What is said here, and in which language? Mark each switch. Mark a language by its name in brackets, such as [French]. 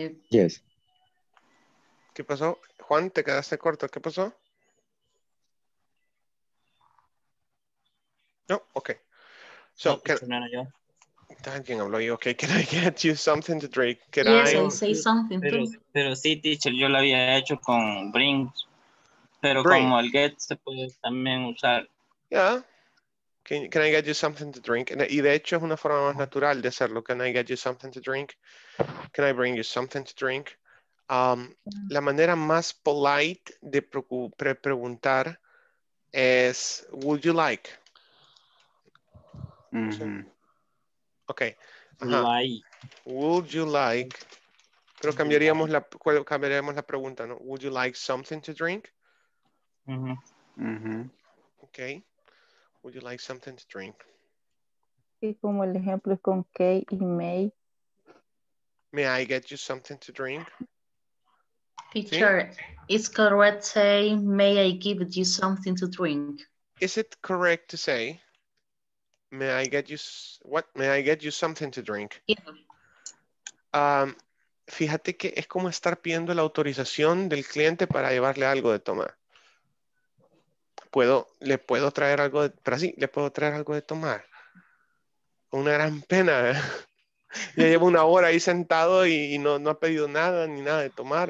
[English] Yes. [Spanish] ¿Qué pasó? Juan, te quedaste corto. ¿Qué pasó? No, okay. [English] So, [Spanish] ¿quién habló yo? [English] Okay, can I get you something to drink? Can yes, I say something, please? [Spanish] Pero sí, teacher, yo lo había hecho con bring. Pero bring. Como el get se puede también usar. [English] Yeah. Can I get you something to drink? [Spanish] Y de hecho es una forma más natural de hacerlo. [English] Can I get you something to drink? Can I bring you something to drink? [Spanish] La manera más polite de preguntar es, [English] would you like? Mm-hmm. Okay. Uh-huh. Like. Would you like? [Spanish] Pero cambiaríamos la pregunta, ¿no? [English] Would you like something to drink? Mm-hmm. Okay. Would you like something to drink? [Spanish] Y como el ejemplo es con K y May. [English] May I get you something to drink? Teacher, [Spanish] ¿sí? [English] Is correct to say, may I give you something to drink? Is it correct to say, may I get you, what? May I get you something to drink? Yeah. [Spanish] Fíjate que es como estar pidiendo la autorización del cliente para llevarle algo de tomar. ¿Le puedo traer algo de tomar? Una gran pena. Ya llevo una hora ahí sentado y no ha pedido nada ni nada de tomar.